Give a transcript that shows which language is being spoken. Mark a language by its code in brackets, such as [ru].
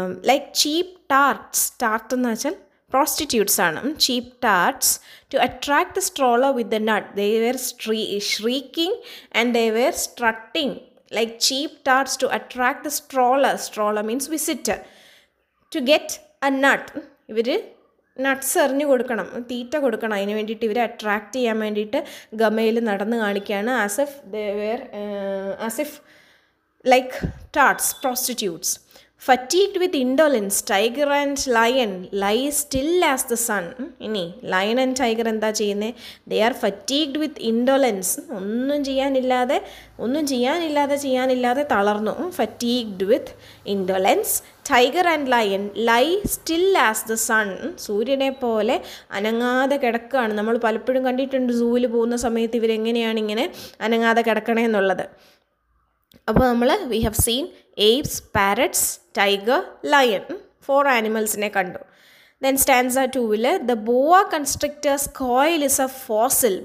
[en] like cheap tarts, [ml] tart എന്ന് വെച്ചാൽ [en] prostitutes ആണ്, cheap tarts to attract the stroller with the nut. They were shrieking and they were strutting like cheap tarts to attract the stroller. Stroller means visitor. To get a nut, [ml] ഇവർ nuts എറിഞ്ഞു കൊടുക്കണം, തീറ്റ കൊടുക്കണം, അതിന് വേണ്ടിയിട്ട് ഇവരെ attract ചെയ്യാൻ വേണ്ടിയിട്ട് ഗമയിൽ നടന്ന് കാണിക്കുകയാണ്. [en] As if like tarts, prostitutes. Fatigued with indolence, tiger and lion lie still as the sun. [ml] ഇനി ലയൺ ആൻഡ് ടൈഗർ എന്താ ചെയ്യുന്നത്? [en] They are fatigued with indolence. [ml] ഒന്നും ചെയ്യാനില്ലാതെ തളർന്നു. [en] Fatigued with indolence, tiger and lion lie still as the sun. [ml] സൂര്യനെ പോലെ അനങ്ങാതെ കിടക്കുകയാണ്. നമ്മൾ പലപ്പോഴും കണ്ടിട്ടുണ്ട് സൂവിൽ പോകുന്ന സമയത്ത് ഇവരെങ്ങനെയാണ് ഇങ്ങനെ അനങ്ങാതെ കിടക്കണമെന്നുള്ളത്. അപ്പോൾ നമ്മൾ [en] We have seen apes, parrots, tiger, lion. Four animals ne kandu. Then stanza 2 ile the boa constrictor's coil is a fossil.